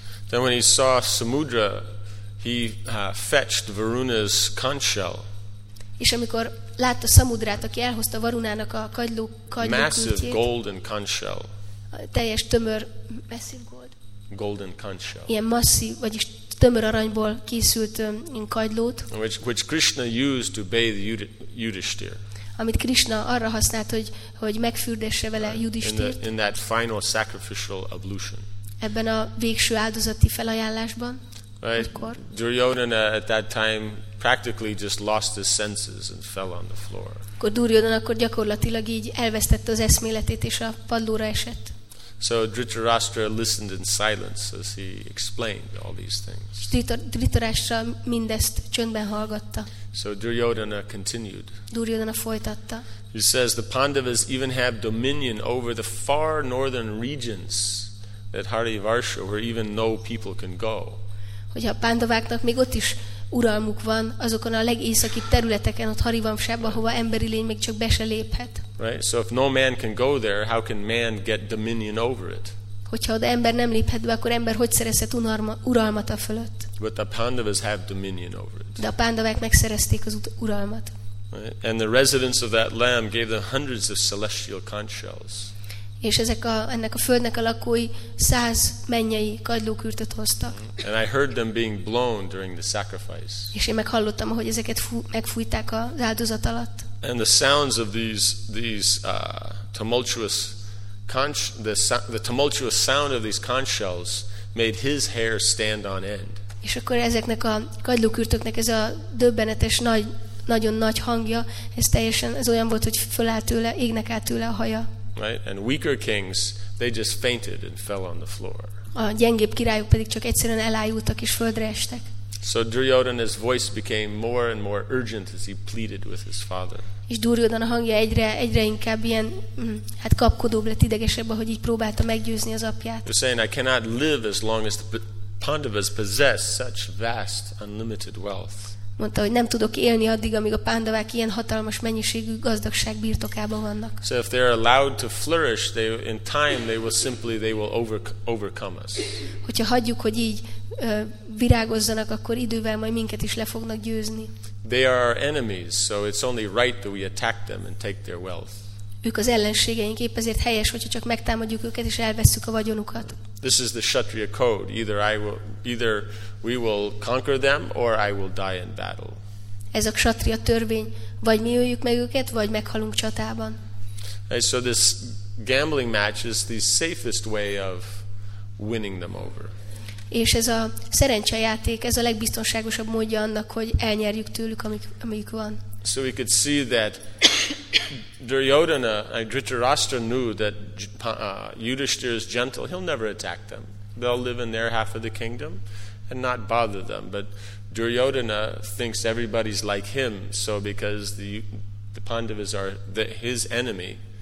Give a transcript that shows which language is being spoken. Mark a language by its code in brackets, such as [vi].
[en] Then when he saw Samudra, he fetched Varuna's conch shell. [hu] És amikor látta Samudrát, aki elhozta Varunának a kagyló [en] massive [hu] kültjét, [en] golden conch shell. [hu] Teljes tömör, [en] massive gold. Golden conch shell. [hu] Ilyen masszív, vagyis tömör aranyból készült kagylót. [en] Which Krishna used to bathe Yudhishthir. [hu] Amit Krishna arra használt, hogy megfürdesse vele Yudhishthirt. [en] In that final sacrificial ablution. [hu] Ebben a végső áldozati felajánlásban. [en] Right. Duryodhana at that time practically just lost his senses and fell on the floor. [hu] Akkor Duryodhana akkor gyakorlatilag így elvesztette az eszméletét és a padlóra esett. [en] So Dhritarashtra listened in silence as he explained all these things. [hu] Dhritarashtra mindezt csöndben hallgatta. [en] So Duryodhana continued. [hu] Duryodhana folytatta. [en] He says the Pandavas even have dominion over the far northern regions that Harivarsha, where even no people can go. [hu] Hogy a Pandavaknak még ott is uralmuk van azokon a legészakibb területeken, ott Harivamsában, hova emberi lény még csak be se léphet. [en] Right, so if no man can go there, how can man get dominion over it? [hu] Hogyha oda ember nem léphet be, akkor ember hogy szerezhet uralmat a fölött? [en] But the Pandavas have dominion over it. [hu] De a Pandavák megszerezték az uralmat. [en] Right? And the residents of that land gave them hundreds of celestial conch shells. [hu] És ezek ennek a földnek a lakói 100 mennyei kagylókürtöt hoztak. [en] And I heard them being blown during the sacrifice. [hu] És én meghallottam, hogy ezeket megfújták az áldozat alatt. [en] And the sounds of the tumultuous sound of these conch shells made his hair stand on end. [hu] És akkor ezeknek a kagylókürtöknek ez a döbbenetes nagyon nagy hangja, ez teljesen ez olyan volt, hogy fölállt tőle, égnek át tőle a haja. [en] Right, and weaker kings they just fainted and fell on the floor. [hu] A gyengébb királyok pedig csak egyszerűen elájultak és földre estek. [en] So Duryodhana's voice became more and more urgent as he pleaded with his father. [hu] És Duryodhana hangja egyre inkább ilyen kapkodóbb lett, idegesebb, ahogy így próbálta meggyőzni az apját. [en] He was saying, I cannot live as long as the Pandavas possess such vast unlimited wealth. [hu] Mondta, hogy nem tudok élni addig, amíg a Pándavák ilyen hatalmas mennyiségű gazdagság birtokában vannak. [en] So if they are allowed to flourish, they in time they will overcome us. [hu] Hogyha hagyjuk, hogy így virágozzanak, akkor idővel majd minket is le fognak győzni. [en] They are our enemies, so it's only right that we attack them and take their wealth. [hu] Ők az ellenségeink, épp ezért helyes, hogyha csak megtámadjuk őket és elvesszük a vagyonukat. [en] This is the Kshatriya code. Either we will conquer them or I will die in battle. [hu] Ez a Kshatriya törvény, vagy mi öljük meg őket, vagy meghalunk csatában. [en] And so this gambling match is the safest way of winning them over. [hu] És ez a szerencsejáték, ez a legbiztonságosabb módja annak, hogy elnyerjük tőlük, amik van. [en] So we could see that Duryodhana and Dhritarashtra knew that Yudhishthir is gentle. He'll never attack them. They'll live in their half of the kingdom and not bother them. But Duryodhana thinks everybody's like him. So because the Pandavas are his enemy,